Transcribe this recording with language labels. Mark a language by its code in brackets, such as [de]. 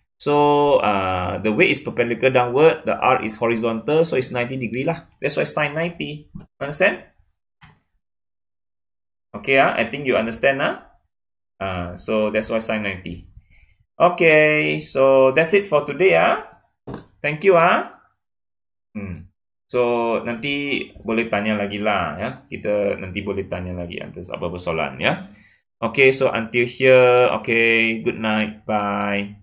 [en] So the weight is perpendicular downward, the R is horizontal, so it's 90 degree lah. That's why sine 90. Understand? Okay, I think you understand now. So that's why sine 90. Okay, so that's it for today. Thank you. [ms] So nanti boleh tanya lagi lah, ya. Kita nanti boleh tanya lagi antara apa-apa soalan, ya. [en] Okay, so until here, okay, good night, bye.